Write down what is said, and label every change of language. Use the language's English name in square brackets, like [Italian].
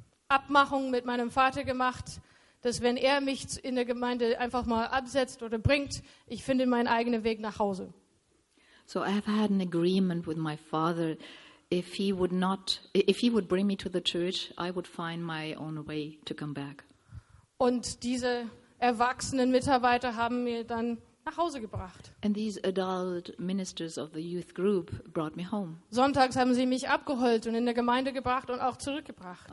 [German] Abmachung mit meinem Vater gemacht, dass wenn er mich in der Gemeinde einfach mal absetzt oder bringt, ich finde meinen eigenen Weg nach Hause. [English] So I have had an agreement with my father. If he would bring me to the church, I would find my own way to come back. [German] Und diese erwachsenen Mitarbeiter haben mir dann nach Hause gebracht. [English] And these adult ministers of the youth group brought me home. [German] Sonntags haben sie mich abgeholt und in der Gemeinde gebracht und auch zurückgebracht.